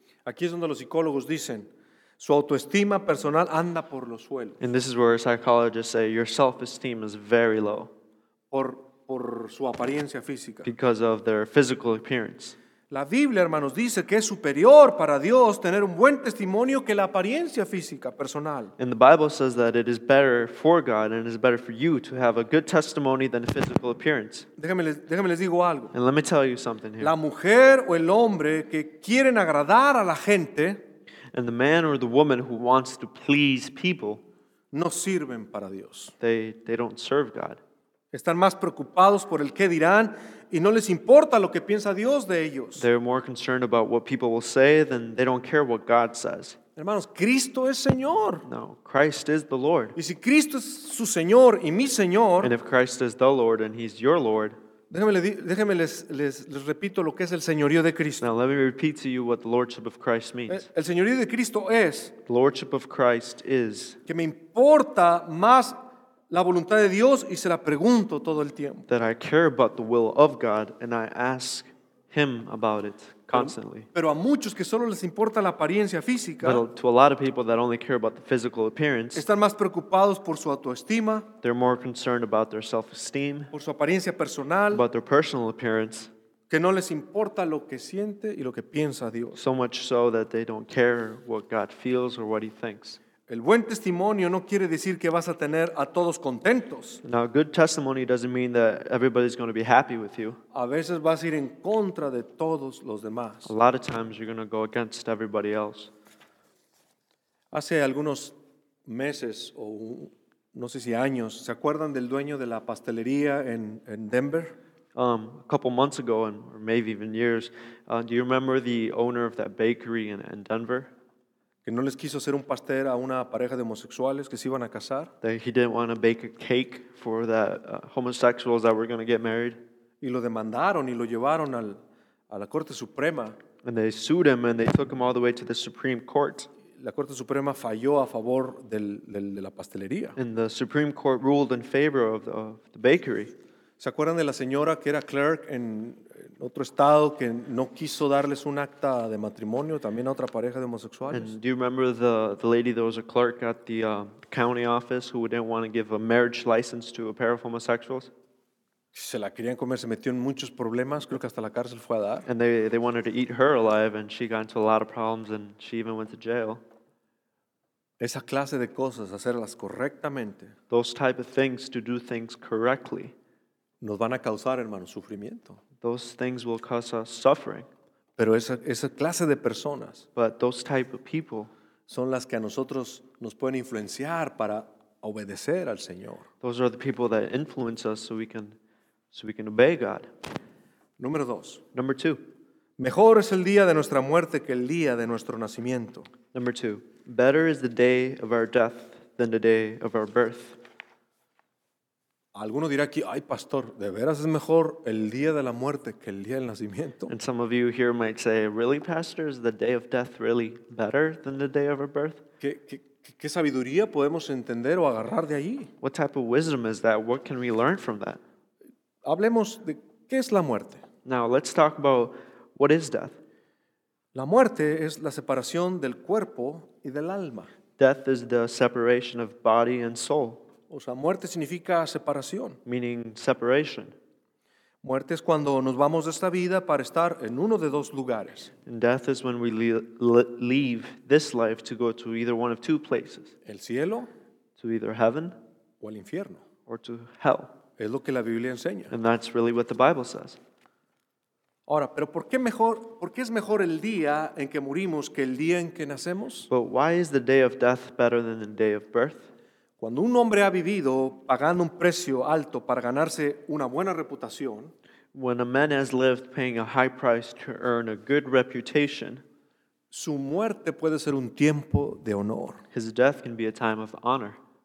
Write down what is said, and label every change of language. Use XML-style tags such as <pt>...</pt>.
<es>Aquí es donde los psicólogos dicen, su autoestima personal anda por los suelos.</es> <en>And this is where psychologists say your self-esteem is very low.</en> <es>Por su apariencia física.</es> <en>Because of their physical appearance.</en> <es>La Biblia, hermanos, dice que es superior para Dios tener un buen testimonio que la apariencia física personal.</es> <en>And the Bible says that it is better for God and it is better for you to have a good testimony than a physical appearance.</en> <es>Déjame les digo algo.</es> <en>And let me tell you something here.</en> <es>La mujer o el hombre que quieren agradar a la gente.</es> <en>And the man or the woman who wants to please people.</en> <es>No sirven para Dios.</es> <en>They don't serve God.</en> <es>Están más preocupados por el qué dirán y no les importa lo que piensa Dios de ellos.</es> <en>They're more concerned about what people will say than they don't care what God says.</en> <es>Hermanos, Cristo es Señor.</es> <en>No, Christ is the Lord.</en> <es>Y si Cristo es su Señor y mi Señor.</es> <en>And if Christ is the Lord and he's your Lord.</en> <es>Déjeme les repito lo que es el Señorío de Cristo.</es> <en>Now let me repeat to you what the Lordship of Christ means.</en> <es>El Señorío de Cristo es.</es> <en>The Lordship of Christ is.</en> <es>Que me importa más la voluntad de Dios y se la pregunto todo el tiempo.</es> <en>That I care about the will of God and I ask him about it constantly.</en> <es>Pero a muchos que solo les importa la apariencia física.</es> <en>But to a lot of people that only care about the physical appearance.</en> <es>Están más preocupados por su autoestima.</es> <en>They're more concerned about their self-esteem.</en> <es>Por su apariencia personal.</es> <en>About their personal appearance.</en> <es>Que no les importa lo que siente y lo que piensa Dios.</es> <en>So much so that they don't care what God feels or what he thinks.</en> <es>El buen testimonio no quiere decir que vas a tener a todos contentos.</es> <en>Now, good testimony doesn't mean that everybody's going to be happy with you.</en> <es>A veces vas a ir en contra de todos los demás.</es> <en>A lot of times you're going to go against everybody else.</en> <es>Hace algunos meses o no sé si años, ¿se acuerdan del dueño de la pastelería en Denver?</es> <en>A couple months ago, and or maybe even years, do you remember the owner of that bakery in Denver?</en> <es>Que no les quiso hacer un pastel a una pareja de homosexuales que se iban a casar.</es> <en>That he didn't want to bake a cake for the homosexuals that were going to get married.</en> <es>Y lo demandaron y lo llevaron a la Corte Suprema.</es> <en>And they sued him and they took him all the way to the Supreme Court.</en> <es>La Corte Suprema falló a favor de la pastelería.</es> <en>And the Supreme Court ruled in favor of the bakery.</en> <es>¿Se acuerdan de la señora que era clerk en otro estado que no quiso darles un acta de matrimonio también a otra pareja de homosexuales?</es> <en>And do you remember the lady that was a clerk at the county office who didn't want to give a marriage license to a pair of homosexuals?</en> <es>Se la querían comer, se metió en muchos problemas, creo que hasta la cárcel fue a dar.</es> <en>And they wanted to eat her alive and she got into a lot of problems and she even went to jail.</en> <es>Esa clase de cosas, hacerlas correctamente.</es> <en>Those type of things, to do things correctly.</en> <es>Nos van a causar, hermanos, sufrimiento.</es> <en>Those things will cause us suffering.</en> <es>Pero esa clase de personas,</es> <en>but those type of people,</en> <es>son las que a nosotros nos pueden influenciar para obedecer al Señor.</es> <en>Those are the people that influence us so we can obey God.</en> <es>Número dos.</es> <en>Number two.</en> <es>Mejor es el día de nuestra muerte que el día de nuestro nacimiento.</es> <en>Number two. Better is the day of our death than the day of our birth.</en> <es>Alguno dirá aquí, ay pastor, de veras es mejor el día de la muerte que el día del nacimiento.</es> <en>And some of you here might say, really, pastor, is the day of death really better than the day of our birth?</en> <es>¿Qué sabiduría podemos entender o agarrar de ahí?</es> <en>What type of wisdom is that? What can we learn from that?</en> <es>Hablemos de qué es la muerte.</es> <en>Now let's talk about what is death.</en> <es>La muerte es la separación del cuerpo y del alma.</es> <en>Death is the separation of body and soul.</en> <es>O sea, muerte significa separación.</es> <en>Meaning separation.</en> <es>Muerte es cuando nos vamos de esta vida para estar en uno de dos lugares.</es> <en>And death is when we leave this life to go to either one of two places.</en> <es>El cielo.</es> <en>To either heaven.</en> <es>O el infierno.</es> <en>Or to hell.</en> <es>Es lo que la Biblia enseña.</es> <en>And that's really what the Bible says.</en> <es>Ahora, pero ¿por qué es mejor el día en que morimos que el día en que nacemos?</es> <en>But why is the day of death better than the day of birth?</en> <es>Cuando un hombre ha vivido pagando un precio alto para ganarse una buena reputación,</es> <en>when a man has lived paying a high price to earn a good reputation,</en> <es>su muerte puede ser un tiempo de honor.</es> <en>His death can be a time of honor.</en>